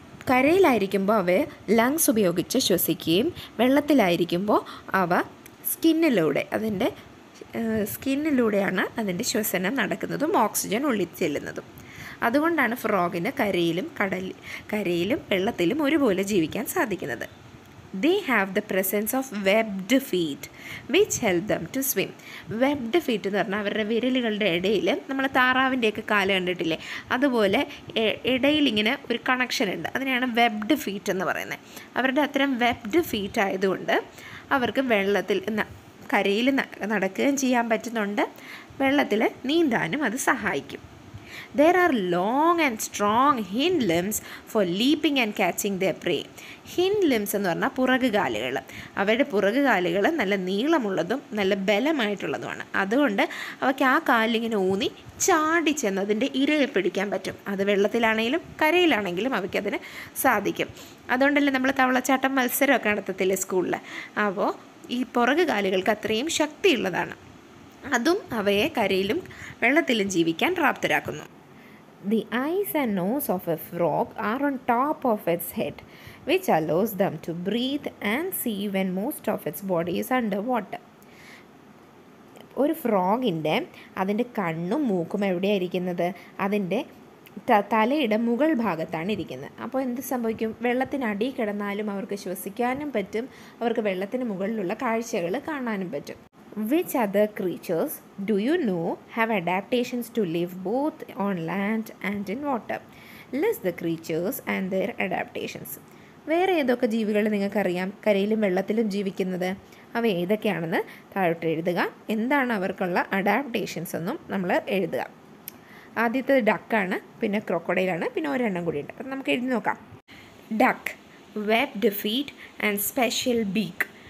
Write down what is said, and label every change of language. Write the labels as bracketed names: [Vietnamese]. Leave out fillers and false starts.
[Malayalam] കരയിലായിരിക്കുമ്പോൾ അവ ലങ്സ് ഉപയോഗിച്ച് ശ്വസിക്കുകയും വെള്ളത്തിലായിരിക്കുമ്പോൾ അവ സ്കിന്നിലൂടെ, അതിൻ്റെ സ്കിന്നിലൂടെയാണ് അതിൻ്റെ ശ്വസനം നടക്കുന്നതും ഓക്സിജൻ ഉള്ളിൽ ചെല്ലുന്നതും. അതുകൊണ്ടാണ് ഫ്രോഗിന് കരയിലും കരയിലും വെള്ളത്തിലും ഒരുപോലെ ജീവിക്കാൻ സാധിക്കുന്നത്. [English] They have the presence of webbed feet which help them to swim. [Malayalam] Webbed feet എന്ന് പറഞ്ഞാൽ അവരുടെ വിരലുകളുടെ ഇടയിൽ, നമ്മൾ താറാവിൻ്റെയൊക്കെ കാല് കണ്ടിട്ടില്ലേ, അതുപോലെ ഇടയിൽ ഇങ്ങനെ ഒരു കണക്ഷൻ ഉണ്ട്, അതിനെയാണ് webbed feet എന്ന് പറയുന്നത്. അവരുടെ അത്തരം webbed feet ആയതുകൊണ്ട് അവർക്ക് വെള്ളത്തിൽ കരയിൽ നടക്കുകയും ചെയ്യാൻ പറ്റുന്നുണ്ട്, വെള്ളത്തിൽ നീന്താനും അത് സഹായിക്കും. [English] There are long and strong hind limbs for leaping and catching their prey. [Malayalam] Hind limbs എന്ന് പറഞ്ഞാൽ പുറകുകാലുകൾ. അവരുടെ പുറകുകാലുകൾ നല്ല നീളമുള്ളതും നല്ല ബലമായിട്ടുള്ളതുമാണ്. അതുകൊണ്ട് അവയ്ക്ക് ആ കാലിങ്ങനെ ഊന്നി ചാടിച്ചെന്ന് അതിൻ്റെ ഇരയെ പിടിക്കാൻ പറ്റും. അത് വെള്ളത്തിലാണെങ്കിലും കരയിലാണെങ്കിലും അവയ്ക്കതിന് സാധിക്കും. അതുകൊണ്ടല്ലേ നമ്മൾ തവളച്ചാട്ടം മത്സരമൊക്കെ നടത്തത്തില്ലേ സ്കൂളിൽ. അപ്പോൾ ഈ പുറകുകാലുകൾക്ക് അത്രയും ശക്തിയുള്ളതാണ്, അതും അവയെ കരയിലും വെള്ളത്തിലും ജീവിക്കാൻ പ്രാപ്തരാക്കുന്നു. [English] The eyes and nose of a frog are on top of its head, which allows them to breathe and see when most of its body is underwater. [Malayalam] ഒരു ഫ്രോഗിൻ്റെ അതിൻ്റെ കണ്ണും മൂക്കും എവിടെയാണ് ഇരിക്കുന്നത്? അതിൻ്റെ തലയുടെ മുകൾ ഭാഗത്താണ് ഇരിക്കുന്നത്. അപ്പോൾ എന്ത് സംഭവിക്കും? വെള്ളത്തിനടിയിൽ കിടന്നാലും അവർക്ക് ശ്വസിക്കാനും പറ്റും, അവർക്ക് വെള്ളത്തിന് മുകളിലുള്ള കാഴ്ചകൾ കാണാനും പറ്റും. [English] Which other creatures do you know have adaptations to live both on land and in water? List the creatures and their adaptations. [Malayalam] വേറെ ഏതൊക്കെ ജീവികൾ നിങ്ങൾക്കറിയാം കരയിലും വെള്ളത്തിലും ജീവിക്കുന്നത്? അവ ഏതൊക്കെയാണെന്ന് താഴോട്ട് എഴുതുക. എന്താണ് അവർക്കുള്ള അഡാപ്റ്റേഷൻസ് എന്നും നമ്മൾ എഴുതുക. ആദ്യത്തെ ഡക്കാണ്, പിന്നെ ക്രോക്കോഡൈലാണ്, പിന്നെ ഒരെണ്ണം കൂടി ഉണ്ട്. അപ്പം നമുക്ക് എഴുതി നോക്കാം. [English] Duck, webbed feet and special beak.